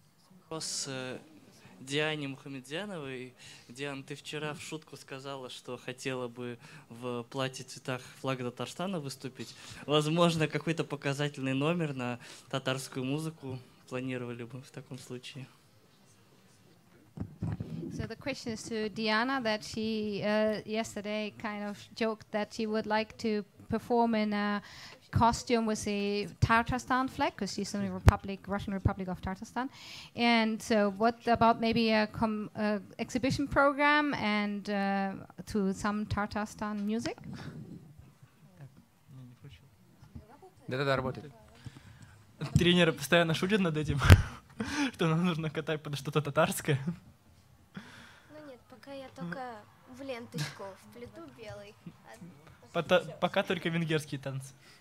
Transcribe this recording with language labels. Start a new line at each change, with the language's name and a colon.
Russian: Вопрос Диане Мухамедзяновой. Диан, ты вчера в шутку сказала, что хотела бы в платье цветах флага Татарстана выступить. Возможно, какой-то показательный номер на татарскую музыку планировали бы в таком случае.
English: So the question is to Diana, that she yesterday kind of joked that she would like to perform in a costume with a Tatarstan flag, because she's in the Republic, Russian Republic of Tatarstan. And so what about maybe a exhibition program and to some Tatarstan music?
Russian: Да-да-да, работает. Тренеры постоянно шутят над этим, что нам нужно катать под что-то татарское. Ну нет, пока я только в ленточку, в плиту белый. Пока только венгерские танцы.